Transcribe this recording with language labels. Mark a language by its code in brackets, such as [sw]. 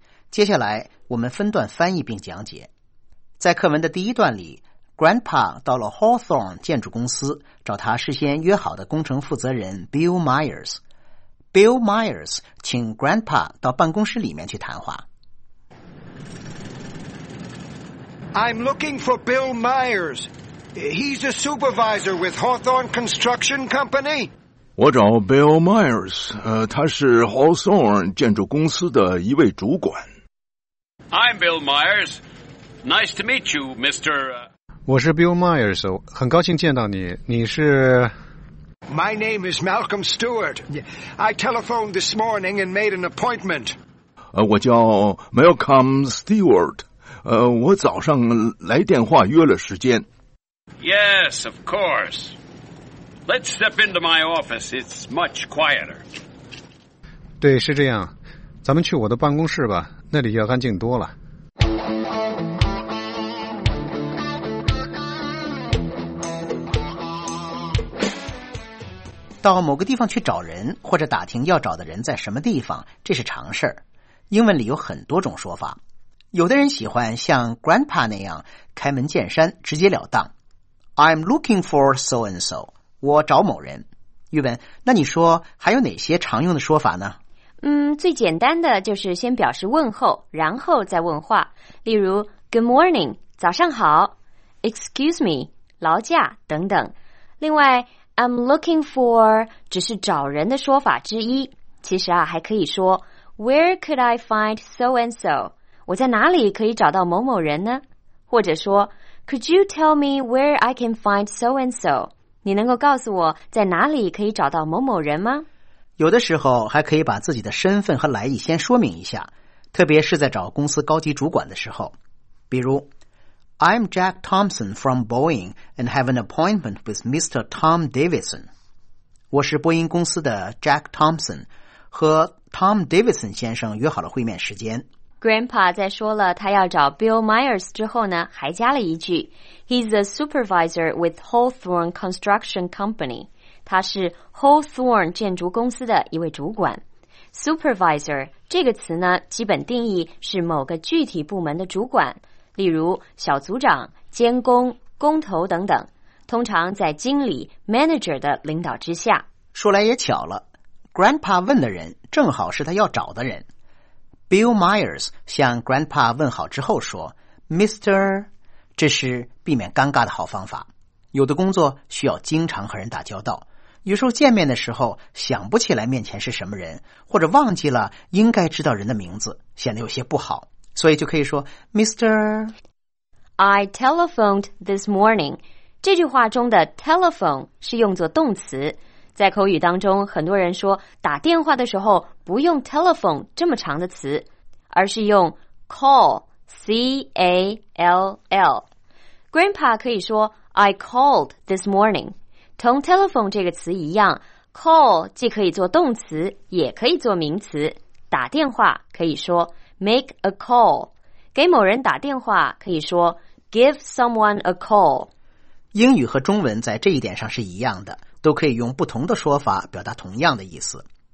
[zh] Grandpa 在课文的第一段里 ,Grandpa 到了 Hawthorne 建筑公司找他事先约好的工程负责人 Bill Myers。 Bill Myers 请 Grandpa 到办公室里面去谈话。 [en] I'm looking for Bill Myers. He's a supervisor with Hawthorne Construction Company. [zh] 我找 Bill Myers, 他是 Hawthorne 建筑公司的一位主管。 [en] I'm Bill Myers. Nice to meet you, Mr. [zh] 我是 Bill Myers, 很高兴见到你。你是 [en] My name is Malcolm Stewart. I telephoned this morning and made an appointment. [zh] 我叫 Malcolm Stewart. 我早上来电话约了时间。 [en] Yes, of course. Let's step into my office. It's much quieter. [zh] 对，是这样。咱们去我的办公室吧，那里要安静多了。到某个地方去找人，或者打听要找的人在什么地方，这是常事儿。英文里有很多种说法，有的人喜欢像 grandpa 那样开门见山，直截了当。 [en] I'm looking for so and so， [zh] 我找某人。玉文，那你说还有哪些常用的说法呢？最简单的就是先表示问候，然后再问话。例如 ， [en] Good morning， [zh] 早上好 ； [en] Excuse me， [zh] 劳驾等等。另外。 [en] I'm looking for [zh] 只是找人的说法之一，其实啊，还可以说 [en] Where could I find so and so? [zh] 我在哪里可以找到某某人呢？或者说 [en] Could you tell me where I can find so and so? [zh] 你能够告诉我在哪里可以找到某某人吗？有的时候还可以把自己的身份和来意先说明一下，特别是在找公司高级主管的时候。比如 [en] I'm Jack Thompson from Boeing and have an appointment with Mr. Tom Davidson. [zh] 我是波音公司的 Jack Thompson, 和 Tom Davidson 先生约好了会面时间。 Grandpa 在说了他要找 Bill Myers 之后呢，还加了一句 [en] He's a supervisor with Hawthorne Construction Company. [zh] 他是 Hawthorne 建筑公司的一位主管。 Supervisor 这个词呢，基本定义是某个具体部门的主管。例如小组长、监工、工头等等，通常在经理 manager 的领导之下。说来也巧了， grandpa 问的人正好是他要找的人。 Bill Myers 向 grandpa 问好之后说 Mr. 这是避免尴尬的好方法。有的工作需要经常和人打交道，有时候见面的时候想不起来面前是什么人，或者忘记了应该知道人的名字，显得有些不好，所以就可以说 Mr. [en] I telephoned this morning. [zh] 这句话中的 telephone 是用作动词。在口语当中，很多人说打电话的时候不用 telephone 这么长的词，而是用 call, C-A-L-L. [en] Grandpa [zh] 可以说 [en] I called this morning. [zh] 同 telephone 这个词一样， call 既可以做动词，也可以做名词。打电话可以说 [en] Make a call， [zh] 给某人打电话可以说 [en] Give someone a call。 [zh] 英语和中文在这一点上是一样的，都可以用不同的说法表达同样的意思。